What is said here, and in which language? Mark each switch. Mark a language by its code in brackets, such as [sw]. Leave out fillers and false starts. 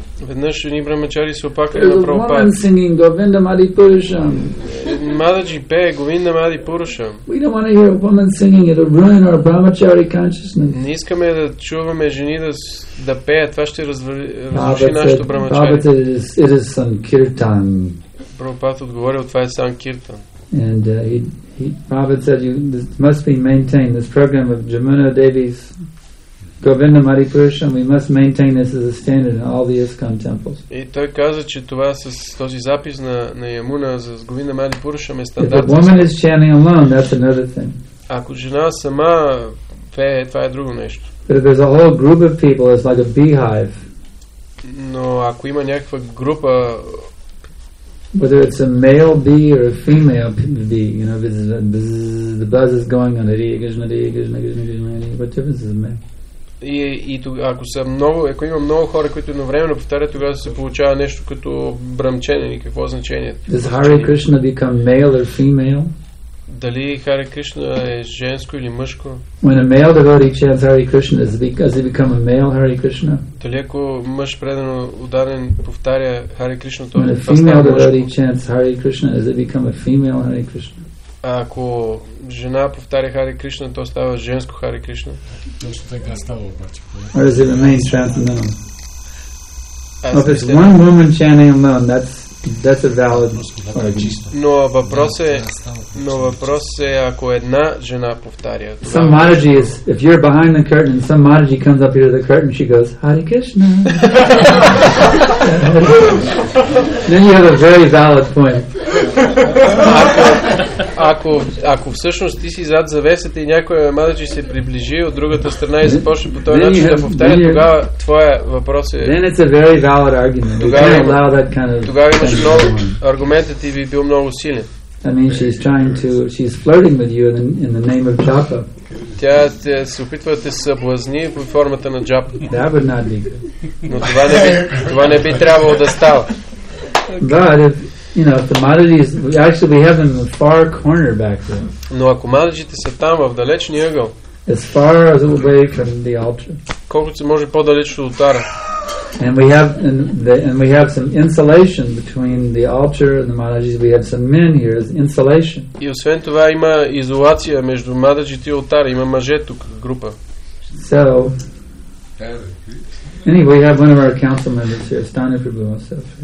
[bg] Веднъж ни брамачари се оплакали на Прабхупад. [en] There's a woman singing Govinda Mari Purusham. [bg] Mataji пее Govinda Mari Purusham. [en] We don't want to hear a woman singing, it'll ruin our brahmachari consciousness. [bg] Не искаме да чуваме жени да пеят, това ще разруши нашето брамачари. [en] It is some kirtan. [bg] Prabhupada отговорил, това е санкиртан. [en] And he Prabhupada said, you this must be maintained, this program of Jamuna Devi's Govinda Mari Purusha, we must maintain this as a standard in all the ISKCON temples. [bg] И той каза, че това с този запис на Ямуна за Говинда Мари Пурушам е стандарт. [en] If a woman is chanting alone, that's another thing. [bg] Ако жена сама пее, това е друго нещо. [en] But if there's a whole group of people, it's like a beehive. [bg] Но ако има някаква група, [en] whether it's a male bee or a female bee, you know, if it's a bzzz, the buzz is going on, Hare Krishna, Hare Krishna, Krishna Krishna, Hare Krishna, what difference does it make? [bg] И ако са много, ако има много хора, които едновременно повтарят, тогава се получава нещо като бръмчене, или какво значение? [en] Does Hare Krishna become male or female? [bg] Дали Хари Кришна е женско или мъжко? [en] When a male devotee chants Hare Krishna, does he become a male Hare Krishna? [bg] Дали ако мъж предано ударен повтаря Хари Кришна, то е мъжко? [en] When a female devotee chants Hare Krishna, does he become a female Hare Krishna? [bg] Ако жена повтаря Хари Кришна, то става женско Хари Кришна. Точно така става обаче. [en] Or does it remain transcendental? If it's one woman chanting alone, that's a valid argument. [bg] Но въпрос е, ако една жена повтаря. [en] Some Maharaji is, if you're behind the curtain and some Maharaji comes up here to the curtain, she goes, Hare Krishna. Then you have a very valid point. [bg] Ако всъщност ти си зад завесата и някой Мададжи се приближи от другата страна и започне по този начин да повтаря, тогава твоя въпрос е. [en] Then it's a very valid argument. [bg] Тогава имаш много аргументът и би бил много силен. [en] I mean, she's trying to, she's flirting with you in the name of Japa. [bg] Тя се опитва да те съблазни по формата на Джапа. [en] That would not be. [bg] Но това не би трябвало да става. [en] You know, if the Madhaji is, actually we have them in the far corner back there. [bg] Но ако Madhajite са там, в далечния ъгъл. [en] As far as away from the altar. [bg] Колкото се може по-далеч от алтара. [en] And we have some insulation between the altar and the Madhajis. We have some men here as insulation. [bg] И освен това има изолация между Madhajite и алтара. Има мъже тук, група. [en] So, anyway, we have one of our council members here, Stani Prabhu himself.